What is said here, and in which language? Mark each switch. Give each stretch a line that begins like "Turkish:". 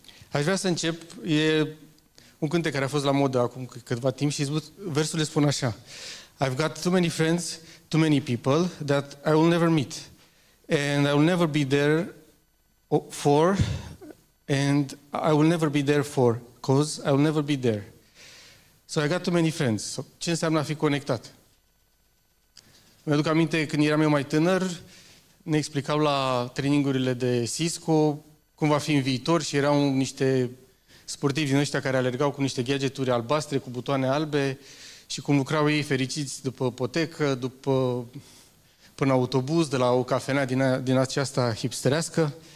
Romanian: Aș vrea să încep, e un cântec care a fost la modă acum câtva timp și versul le spun așa.
English: I've got too many friends, too many people that I will never meet. And I will never be there for... And I will never be there for, cause I will never be there. So I got too many friends.
Romanian: So, ce înseamnă a fi conectat? Mi-aduc aminte când eram eu mai tânăr, ne explicau la trainingurile de Cisco cum va fi în viitor și erau niște sportivi din ăștia care alergau cu niște gadgeturi albastre, cu butoane albe și cum lucrau ei fericiți după potecă, după până autobuz, de la o cafenea din aceasta hipsterească.